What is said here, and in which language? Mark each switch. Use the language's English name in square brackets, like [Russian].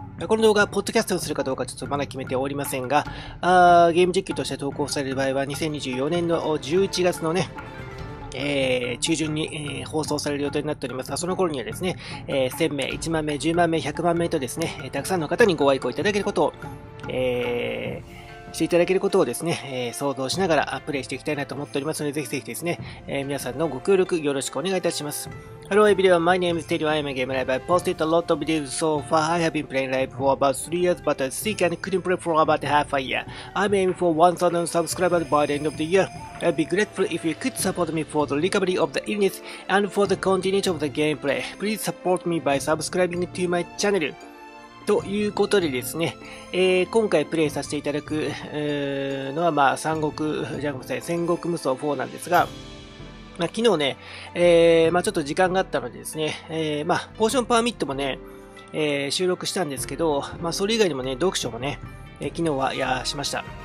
[Japanese] この動画、ポッドキャストにするかどうかちょっとまだ決めておりませんが、ゲーム実況として投稿される場合は、2024年の11月のね、中旬に、放送される予定になっておりますが、その頃にはですね、1000名、1万名、10万名、100万名とですね、たくさんの方にご愛顧いただけることを、していただけることをですね、想像しながらプレイしていきたいなと思っておりますので、ぜひぜひですね、皆さんのご協力よろしくお願いいたします。 [English] Hello everyone, my name is Terio, I am a gamer, I've posted a lot of videos so far, I have been playing live for about 3 years, but I'm sick and couldn't play for about half a year. I'm aiming for 1,000 subscribers by the end of the year. I'd be grateful if you could support me for the recovery of the illness and for the continuation of the gameplay. Please support me by subscribing to my channel. [Japanese] ということでですね、今回プレイさせていただくのは、まあ、戦国無双4なんですが、まあ、昨日ね、まあ、ちょっと時間があったのでですね、まあ、ポーションパーミットもね、収録したんですけど、まあ、それ以外にもね、読書もね、昨日はやしました。